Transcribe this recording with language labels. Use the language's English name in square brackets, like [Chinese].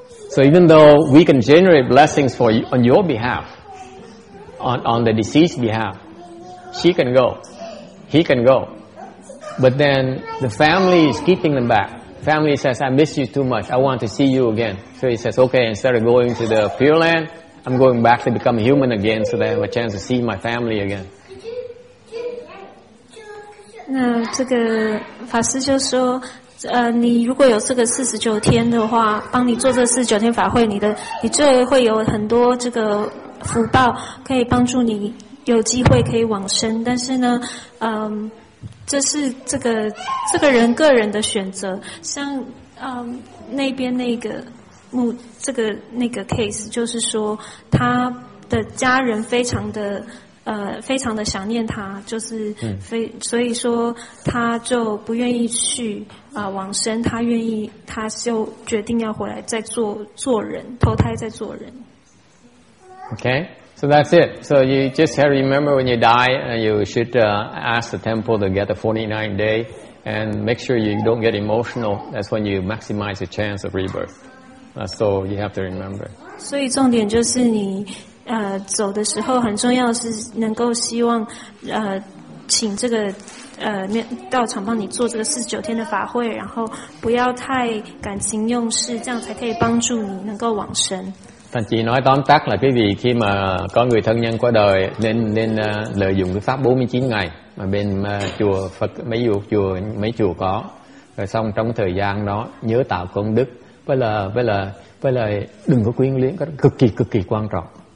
[English] So even though we can generate blessings for you, on your behalf, on the deceased's behalf, she can go, he can go. But then the family is keeping them back. Family says, I miss you too much, I want to see you again. So he says, okay, instead of going to the Pure Land, I'm going back to become human again so that I have a chance to see my family again. [Chinese] 那这个法师就说，你如果有这个四十九天的话，帮你做这四十九天法会，你就会有很多这个福报，可以帮助你有机会可以往生。但是呢，这是这个人个人的选择。像那边那个那个 case， 就是说他的家人非常的。非常的想念他，就是所以说他就不愿意去往生，他愿意，他就决定要回来再做人，投胎再做人。 [English] Okay, so that's it. So you just have to remember when you die, you should ask the temple to get a 49 day, and make sure you don't get emotional. That's when you maximize the chance of rebirth. That's all you have to remember. [Chinese] 所以重点就是你。走的时候很重要是能够希望请这个道场帮你做这个四十九天的法会，然后不要太感情用事，这样才可以帮助你能够往生。 [Vietnamese] 但chị nói tóm tắt là quý vị khi mà có người thân nhân qua đời nên lợi dụng cái pháp 49 ngày mà bên chùa Phật mấy chùa có, rồi xong trong thời gian đó nhớ tạo công đức với là đừng có quyến luyến, cực kỳ quan trọng.